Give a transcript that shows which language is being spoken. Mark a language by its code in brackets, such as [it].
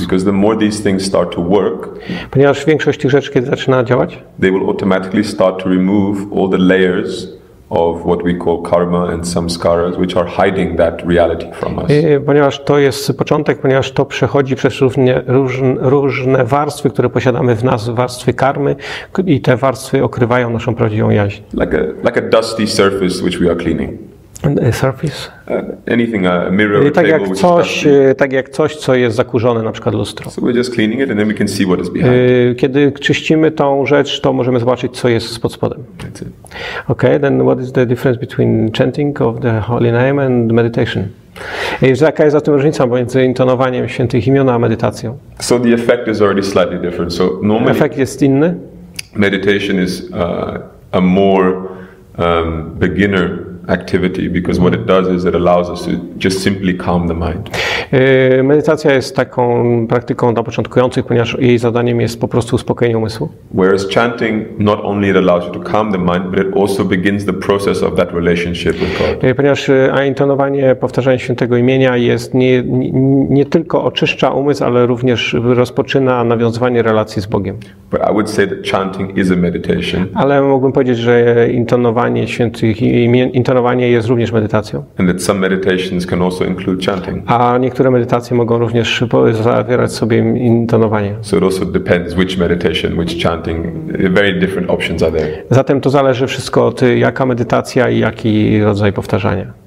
[en] Because the more these things start to work, [pl] ponieważ większość tych rzeczy, kiedy zaczyna działać, [en] they will automatically start to remove all the layers of what we call karma and samskaras, which are hiding that reality from us. [pl] Ponieważ to jest początek, ponieważ to przechodzi przez różne warstwy, które posiadamy w nas, warstwy karmy, i te warstwy okrywają naszą prawdziwą jaźń. [en] Like a dusty surface which we are cleaning. A surface? Anything, a mirror, a [pl] tak, jak coś, co jest zakurzone, na przykład lustro. [en] So we're just cleaning it and then we can see what is behind. [pl] Kiedy czyścimy tą rzecz, to możemy zobaczyć, co jest pod spodem. [en] Okay, then what is the difference between chanting of the holy name and meditation? [pl] Jaka jest zatem różnica między intonowaniem świętych imion a medytacją? [en] So the effect is already slightly different. So normally [pl] efekt jest inny. [en] Meditation is a more beginner activity, because what it does is it allows us to just simply calm the mind. [pl] Medytacja jest taką praktyką dla początkujących, ponieważ jej zadaniem jest po prostu uspokojenie umysłu. [en] Whereas chanting not only it allows you to calm the mind, but it also begins the process of that relationship with God. [pl] Ponieważ intonowanie, powtarzanie świętego imienia jest nie tylko oczyszcza umysł, ale również rozpoczyna nawiązywanie relacji z Bogiem. [en] But I would say that chanting is a meditation. [pl] Ale mógłbym powiedzieć, że intonowanie świętych imien, intonowanie jest również medytacją. [en] And that some meditations can also include chanting. [pl] A niektóre medytacje mogą również zawierać sobie intonowanie. [en] So it also depends which meditation, which chanting, very different options are there. [pl] Zatem to zależy wszystko od jaka medytacja i jaki rodzaj powtarzania.